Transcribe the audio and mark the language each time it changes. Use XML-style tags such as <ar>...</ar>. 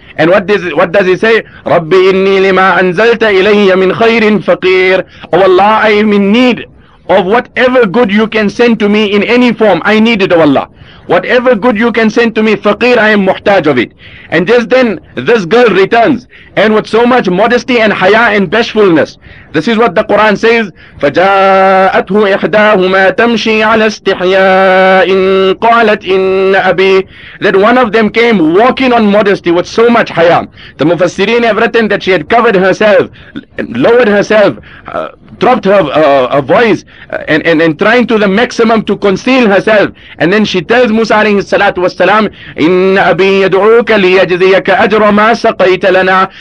<en>And what does he say?</en> <ar>Rabbi inni lima anzalta ilayya min khairin faqir.</ar> <en>Oh Allah, I am in need of whatever good you can send to me in any form. I need it, O Allah. Whatever good you can send to me, faqir, I am muhtaj of it. And just then, this girl returns, and with so much modesty and haya and bashfulness. This is what the Quran says,</en> <ar>فَجَاءَتْهُ إِحْدَاهُمَا تَمْشِي عَلَى اسْتِحْيَاءٍ قَالَتْ إِنَّ أَبِي.</ar> <en>That one of them came walking on modesty with so much haya. The Mufassirin have written that she had covered herself, lowered herself, dropped her voice, and trying to the maximum to conceal herself. And then she tells Musa alayhi salatu wasalam,</en> <ar>Inna abi yad'uka liyajziyaka ajra ma saqayta lana.</ar>